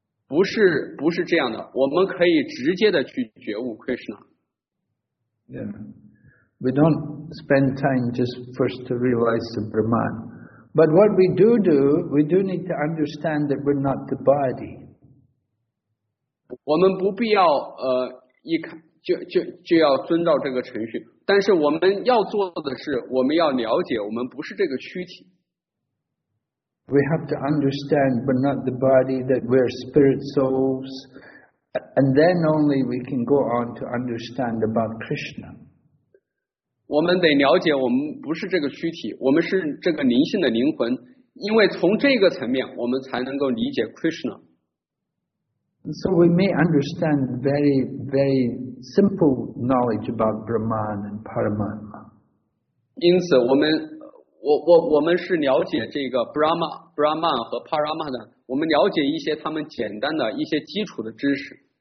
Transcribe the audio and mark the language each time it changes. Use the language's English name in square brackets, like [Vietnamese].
[Chinese] 不是这样的，我们可以直接的去觉悟 Krishna [English] yeah we don't spend time just first to realize the Brahman but what we do do we do need to understand that we're not the body [Chinese] 我们不必要一看就要遵照这个程序，但是我们要做的是，我们要了解，我们不是这个躯体。 [English] We have to understand, but not the body, that we're spirit souls, and then only we can go on to understand about Krishna. [Chinese] 我们得了解，我们不是这个躯体，我们是这个灵性的灵魂，因为从这个层面，我们才能够理解 Krishna。 [English] So we may understand very, very simple knowledge about Brahman and Paramatma. [Chinese] 因此我们是了解这个 Brahman 和 Paramatma， 我们了解一些他们简单的一些基础的知识。